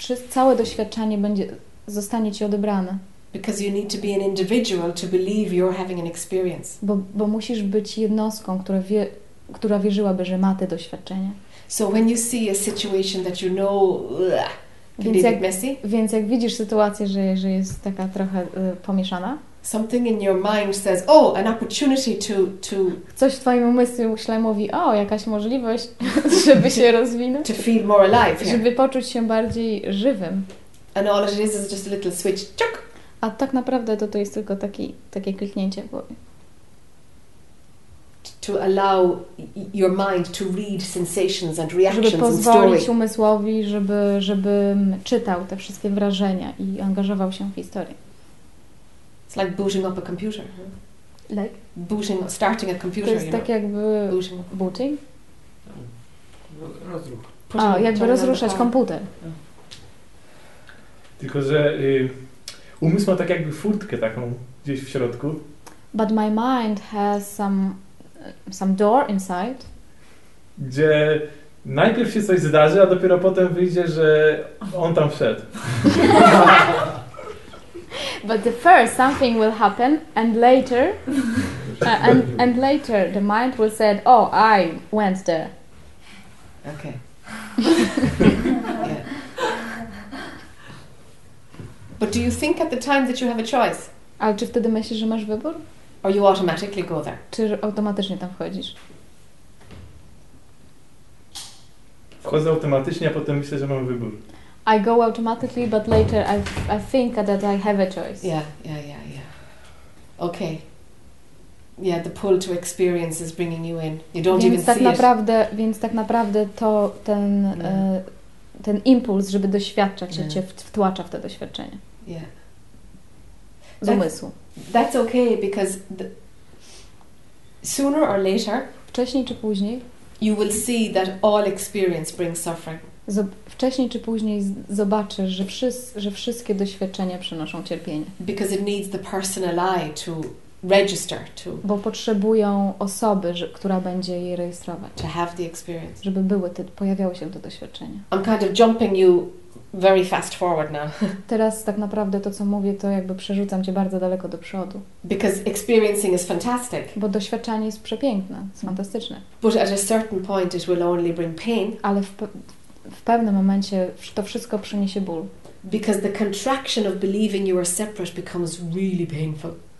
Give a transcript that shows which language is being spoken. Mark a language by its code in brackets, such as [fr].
[pl] Całe doświadczenie zostanie ci odebrane. [en] Because you need to be an individual to believe you're having an experience. [pl] Bo musisz być jednostką, która wierzyłaby, że ma te doświadczenie. [en] So when you see a situation that you know, messy. [pl] Więc jak widzisz sytuację, że jest taka trochę pomieszana. [en] Something in your mind says, an opportunity to. [pl] Coś w twoim umyśle mówi, jakaś możliwość, żeby się rozwinąć. [en] To feel more alive. [pl] Żeby poczuć się bardziej żywym. [en] And all it is just a little switch, chuk. [pl] A tak naprawdę to jest tylko takie kliknięcie w głowie. [en] To allow your mind to read sensations and reactions. [pl] Żeby pozwolić umysłowi, żeby czytał te wszystkie wrażenia i angażował się w historię. [en] It's like booting up a computer. Like booting, starting a computer. [pl] To jest tak [en] know. [pl] Jakby booting. Rozruch. Jakby rozruszać komputer. Tylko że umysł ma tak jakby furtkę taką gdzieś w środku. [en] But my mind has some door inside. [pl] Gdzie najpierw się coś zdarzy, a dopiero potem wyjdzie, że on tam wszedł. [en] But the first something will happen and later the mind will say, I went there. Okay. But do you think at the time that you have a choice? [pl] Ale czy wtedy myślisz, że masz wybór? [en] Or you automatically go there? [pl] Czy automatycznie tam wchodzisz? Wchodzę automatycznie, a potem myślę, że mam wybór. [en] I go automatically, but later I think that I have a choice. Yeah. Okay. Yeah, the pull to experience is bringing you in. You don't [pl] więc [en] even [pl] tak [en] see [pl] naprawdę, [en] it. [pl] Więc tak naprawdę to ten... No. Ten impuls, żeby doświadczać, że cię wtłacza w to doświadczenie. [en] Yeah. [pl] Z umysłu. [en] That's okay, because sooner or later, [pl] wcześniej czy później, [en] you will see that all experience brings suffering. [pl] Wcześniej czy później zobaczysz, że wszystkie doświadczenia przynoszą cierpienie. [en] Because it needs the personal eye to register to. [pl] Bo potrzebują osoby, która będzie je rejestrować. [en] To have the experience. [pl] Żeby były pojawiały się te doświadczenia. [en] I'm kind of jumping you very fast forward now. [pl] Teraz tak naprawdę to, co mówię, to jakby przerzucam cię bardzo daleko do przodu. [en] Because experiencing is fantastic. [pl] Bo doświadczanie jest przepiękne, jest fantastyczne. [en] But at a certain point it will only bring pain. [pl] Ale w pewnym momencie to wszystko przyniesie ból. [en] Because the contraction of believing you are separate becomes really painful.